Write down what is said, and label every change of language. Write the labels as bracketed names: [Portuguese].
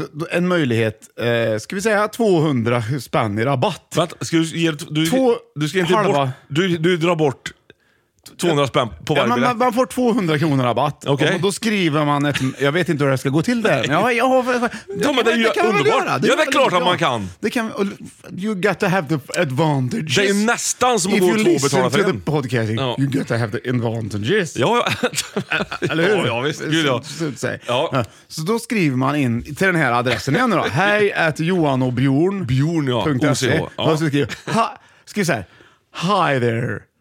[Swedish] En möjlighet, ska vi säga 200 spänn i rabatt. Vänta, ska du ge du ska inte halva. Bort du drar bort 200 spänn på varje biljett. Man får 200 kronor rabatt. Okay. Och då skriver man ett, jag vet inte hur det ska gå till där. Ja, det är klart att man kan. Det kan, [English] you got to have the advantages. [Swedish] Det är nästan som att gå två betala för en. [English] If you listen to the podcasting, [Swedish] ja. [English] You got to have the advantages. [Swedish] Ja, eller hur? Ja, visst. Gud, ja. Så då skriver man in till den här adressen igen då. Hej at johanobjorn. Bjorn, ja. .se. Ja. Och så skriver skriv så här. [English] Hi there.